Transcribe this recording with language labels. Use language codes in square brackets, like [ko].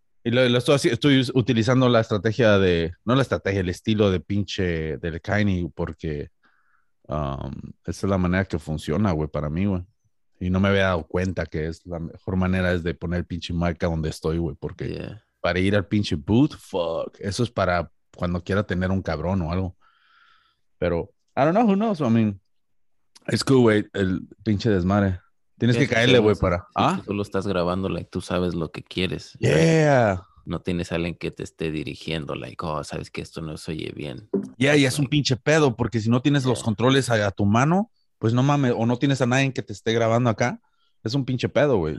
[es] Y lo estoy haciendo, estoy utilizando la estrategia de, no la estrategia, el estilo de pinche del Kanye, porque esa es la manera que funciona, güey, para mí, güey. Y no me había dado cuenta que es la mejor manera es de poner pinche marca donde estoy, güey. Porque para ir al pinche booth, fuck. Eso es para cuando quiera tener un cabrón o algo. [en] Pero, I don't know, who knows, I mean. It's cool, [es] güey, el pinche desmadre. Tienes que caerle, güey, para... Si ¿Ah? Tú solo estás grabando, like, tú sabes lo que quieres. Yeah. Like, no tienes a alguien que te esté dirigiendo, like, oh, sabes que esto no se oye bien. Yeah, y es un pinche pedo, porque si no tienes los controles a tu mano, pues no mames, o no tienes a nadie que te esté grabando acá, es un pinche pedo, güey.